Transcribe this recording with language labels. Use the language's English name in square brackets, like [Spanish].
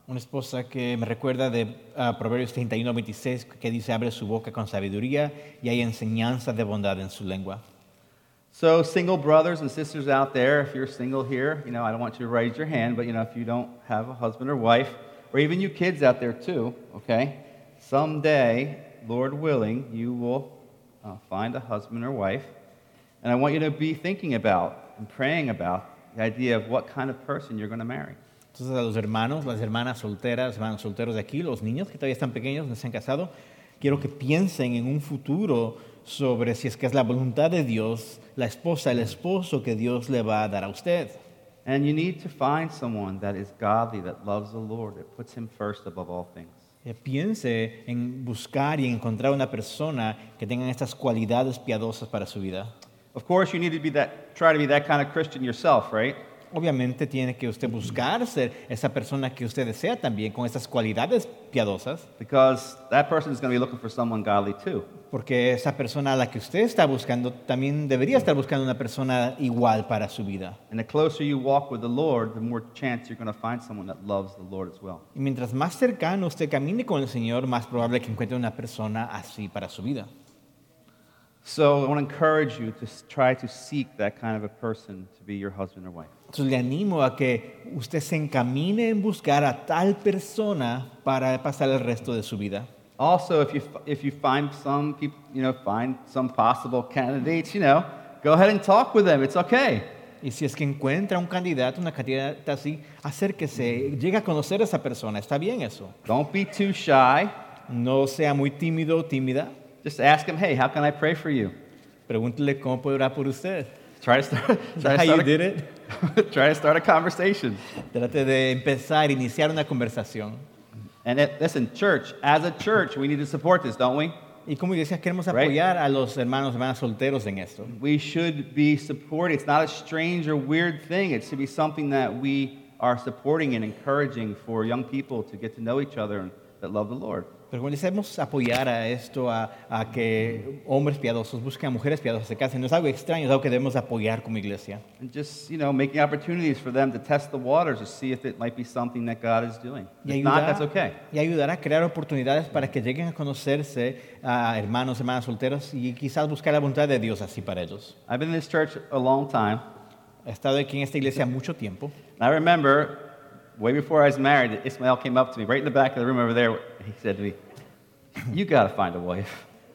[Spanish] Una esposa que me recuerda de Proverbios 31, 26, que dice, abre su boca con sabiduría, y hay enseñanza de bondad en su lengua. [English] So, single brothers and sisters out there, if you're single here, you know, I don't want you to raise your hand, but, you know, if you don't have a husband or wife, or even you kids out there too, okay, someday, Lord willing, you will find a husband or wife, and I want you to be thinking about and praying about the idea of what kind of person you're going to marry. [Spanish] Entonces, a los hermanos, las hermanas solteras, hermanos solteros de aquí, los niños que todavía están pequeños, no se han casado, quiero que piensen en un futuro sobre si es que es la voluntad de Dios, la esposa, el esposo que Dios le va a dar a usted. [English] And you need to find someone that is godly, that loves the Lord, that puts him first above all things. [Spanish] Piense en buscar y encontrar una persona que tenga estas cualidades piadosas para su vida. [English] Of course, you need to be that, try to be that kind of Christian yourself, right? [Spanish] Obviamente, tiene que usted buscar ser esa persona que usted desea también con estas cualidades piadosas. [English] Because that person is going to be looking for someone godly too. [Spanish] Porque esa persona a la que usted está buscando también debería estar buscando una persona igual para su vida. [English] And the closer you walk with the Lord, the more chance you're going to find someone that loves the Lord as well. [Spanish] Y mientras más cercano usted camine con el Señor, más probable que encuentre una persona así para su vida. [English] So I want to encourage you to try to seek that kind of a person to be your husband or wife. [Spanish] Entonces le animo a que usted se encamine en buscar a tal persona para pasar el resto de su vida. [English] Also, if you find some people, you know, find some possible candidates, you know, go ahead and talk with them. It's okay. [Spanish] Y si es que encuentra un candidato, una candidata así, acérquese, llega a conocer a esa persona. Está bien eso. [English] Don't be too shy. [Spanish] No sea muy tímido o tímida. [English] Just ask him, hey, how can I pray for you? [Spanish] Pregúntele cómo puedo orar por usted. [English] Try to start a conversation. [Spanish] Trate de empezar, iniciar una conversación. [English] And listen, church, as a church, we need to support this, don't we? [Spanish] Y como iglesia queremos apoyar a los hermanos y hermanas solteros en esto. [English] We should be supporting. It's not a strange or weird thing. It should be something that we are supporting and encouraging for young people to get to know each other and that love the Lord. [Spanish] Pero como iglesia debemos apoyar a esto, a que hombres piadosos busquen a mujeres piadosas, se casen. No es algo extraño, es algo que debemos apoyar como iglesia. [English] And just, you know, making opportunities for them to test the waters to see if it might be something that God is doing. If not, that's okay. [Spanish] Y ayudar a crear oportunidades para que lleguen a conocerse a hermanos, hermanas solteros y quizás buscar la voluntad de Dios así para ellos. [English] I've been in this church a long time. [Spanish] He estado aquí en esta iglesia mucho tiempo. [English] I remember, way before I was married, Ismael came up to me, right in the back of the room over there. He said to me, you got to find a wife.